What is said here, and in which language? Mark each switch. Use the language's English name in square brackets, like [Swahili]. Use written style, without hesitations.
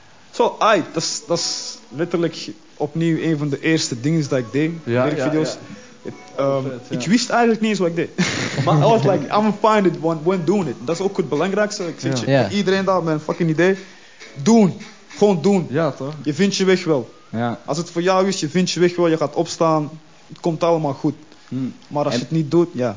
[Dutch] Zo, dat is letterlijk opnieuw een van de eerste dingen dat ik deed. Lyric-video's. Ik wist eigenlijk niet eens wat ik deed. Maar [English] I was like, I'm gonna find it when doing it. [Dutch] Dat is ook het belangrijkste. Ik zeg iedereen daar met een fucking idee. Doen. Gewoon doen. Ja, toch? Je vindt je weg wel. Ja. Als het voor jou is, je vindt je weg wel. Je gaat opstaan. Het komt allemaal goed. Maar als je het niet doet,